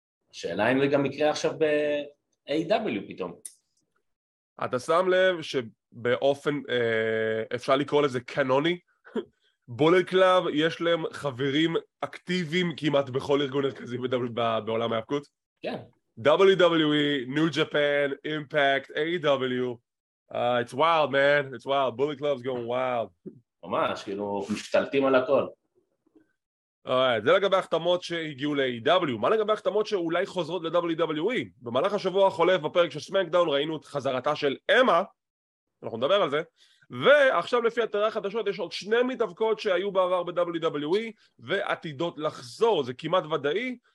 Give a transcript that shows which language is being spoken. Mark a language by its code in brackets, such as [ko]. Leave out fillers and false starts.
[he] השאלה אם זה גם יקרה עכשיו ב... AW פתאום. אתה שם לב שבאופן, אפשר לקרוא לזה קנוני, בולט קלאב יש להם חברים אקטיביים כמעט בכל ארגון הרכזי בעולם ההפקות? כן. [en] WWE, New Japan, Impact, AW, it's wild man, it's wild, בולט קלאב is going wild. [he] ממש, כאילו משתלטים על הכל. Alright, זה לגבי החתמות שהגיעו ל-AEW. מה לגבי החתמות שאולי חוזרות ל-WWE? במהלך השבוע החולף בפרק של סמאקדאון ראינו את חזרתה של אמה, אנחנו נדבר על זה, ועכשיו לפי אתרי החדשות יש עוד שני מתאבקות שהיו בעבר ב-WWE, ועתידות לחזור, זה כמעט ודאי.